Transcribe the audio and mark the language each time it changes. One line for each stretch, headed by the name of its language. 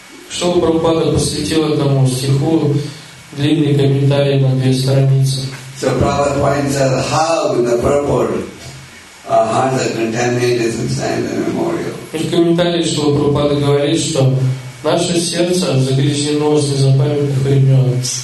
Russian: Шрила Прабхупада посвятил этому стиху длинный комментарий на две страницы.
English: So Prabhupada points out how in the purport our hearts are contaminated from sand and immemorial.
Russian: И в комментарии Шрила Прабхупада говорит, что наше сердце загрязнено с незапамятных времен.